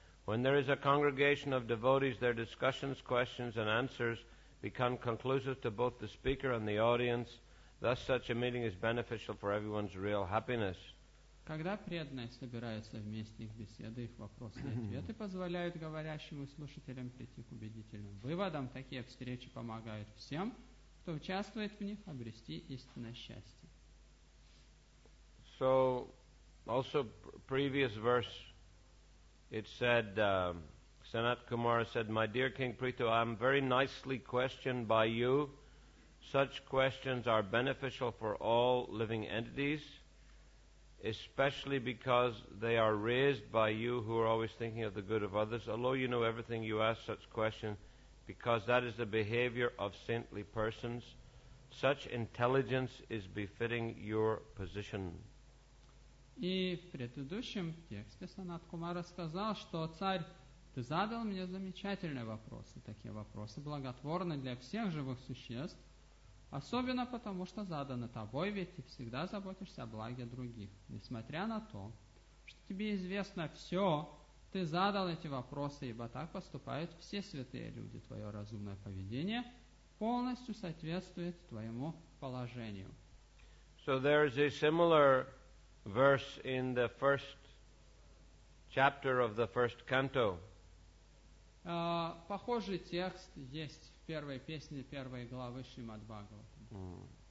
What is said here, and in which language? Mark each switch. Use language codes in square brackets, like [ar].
[en] When there is a congregation of devotees, their discussions, questions, and answers become conclusive to both the speaker and the audience. Thus, such a meeting is beneficial for everyone's real happiness. [ru] Когда преданные собираются вместе, их беседы, их вопросы и ответы позволяют говорящим и слушателям прийти к убедительным выводам. Такие встречи помогают всем, кто участвует в них, обрести истинное счастье. [en] So, also previous verse, it said, Sanat Kumara said, my dear King Prithu, I'm very nicely questioned by you. Such questions are beneficial for all living entities, especially because they are raised by you who are always thinking of the good of others. Although you know everything, you ask such questions because that is the behavior of saintly persons. Such intelligence is befitting your position. [ru] И в предыдущем тексте Санат Кумара сказал, что царь, ты задал мне замечательные вопросы. Такие вопросы благотворны для всех живых существ, особенно потому, что заданы тобой, ведь ты всегда заботишься о благе других. Несмотря на то, что тебе известно все, ты задал эти вопросы, ибо так поступают все святые люди. Твое разумное поведение полностью соответствует твоему положению. [en] So there is a similar verse in the first chapter of the first canto. [ru] Похожий текст есть в первой песне первой главы Шримад-Бхагаватам.